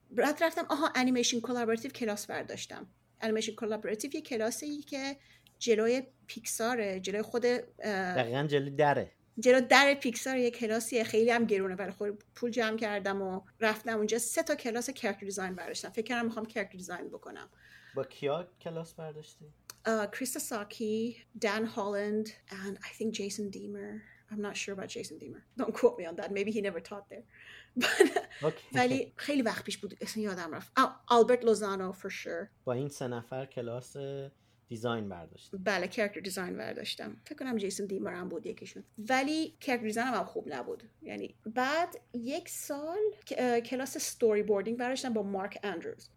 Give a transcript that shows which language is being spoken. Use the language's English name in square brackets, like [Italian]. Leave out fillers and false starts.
[Persian] بعد رفتم آها انیمیشن کلابراتیو کلاس برداشتم. انیمیشن کلابراتیو یه کلاسیه که جلوی پیکسار، جلوی خود دقیقاً جلوی دره، جلو در پیکسار، یه کلاسیه خیلی هم گرونه، ولی خب پول جمع کردم و رفتم اونجا. 3 تا کلاس کاراکتر دیزاین برداشتم، فکر کردم میخوام کاراکتر دیزاین بکنم. با کیا کلاس برداشتی؟ [English] Chris Asaki, Dan Holland, and I think Jason Deamer. I'm not sure about Jason Deamer. Don't quote me on that. Maybe he never taught there. [Persian] But ولی خیلی وقت پیش بود، اصلا یادم رفت. [English] Albert Lozano for sure. [Persian] با این 3 نفر کلاس دیزاین برداشتم. بله، کاراکتر دیزاین برداشتم. فکر کنم جیسون دیمر هم بود یکیشون. ولی کاراکتر دیزاینم هم خوب نبود. یعنی بعد 1 سال کلاس استوری بوردینگ برداشتم با مارک اندروز.